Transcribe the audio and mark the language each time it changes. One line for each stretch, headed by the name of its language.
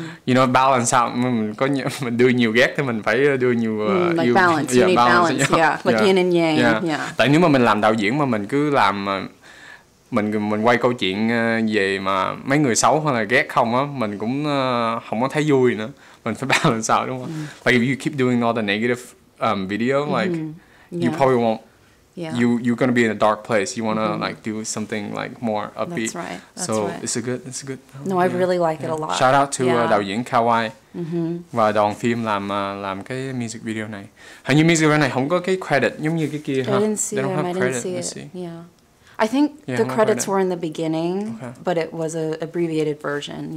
English: You know, balance out,
Vietnamese: mình đưa nhiều ghét thì mình phải đưa nhiều yêu.
English: Like balance, you need balance, like yin and yang.
Vietnamese: Tại nếu mà mình làm đạo diễn mà mình cứ làm... mình quay câu chuyện về mà mấy người xấu hay là ghét không á, mình cũng không có thấy vui nữa. Mình phải balance sao đúng không?
English: Like if you keep doing all the negative video, like you probably won't you're gonna be in a dark place. You wanna like do something like more upbeat. That's right. That's so right. it's a good No, I really like it a lot. Shout out to
Vietnamese: đạo diễn Kawai và đoàn phim làm cái music video này. Hình như music video này không có cái credit giống như cái kia ha.
English: They don't have credit. I think the credits were in the beginning, but it was an abbreviated version.